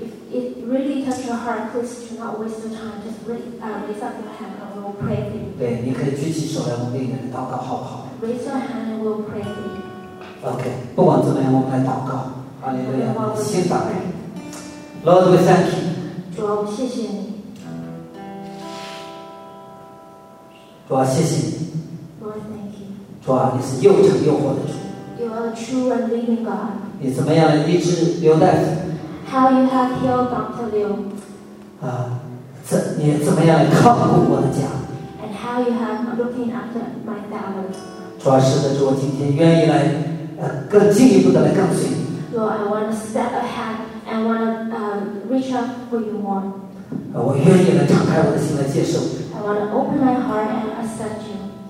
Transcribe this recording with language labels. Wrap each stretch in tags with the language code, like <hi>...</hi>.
<en>If it really touch your heart, please do not waste your time. Just raise up your hand, and we will pray for you.</en> <zh>对，你可以举起手来，我们为你祷告，好不好</zh> <en>？Raise your hand, and we will pray for you.</en> <zh>OK， 不管怎么样，我们来祷告。哈利路亚，心打开。</zh> <en>Lord, we thank you。</en> <zh>主啊，我谢谢你。主啊，谢谢你。</zh> <en>Lord, thank you。</en> <zh>主啊，你是又拯又活的主。</zh> <en>Lord, You are a true and living God.</en> <zh>你怎么样医治刘大夫？</zh> <en>How you have healed Dr. Liu?</en> <zh>你怎么样看顾我的家？</zh> <en>And how you have looking after my family?</en> <zh>主啊，是的，主，我今天愿意来，更进一步的来跟随。</zh> <en>Lord, I want to step ahead and want to reach out for you more.</en> <zh>我愿意来敞开我的心来接受。</zh> <en>I want to open my heart and accept you.</en>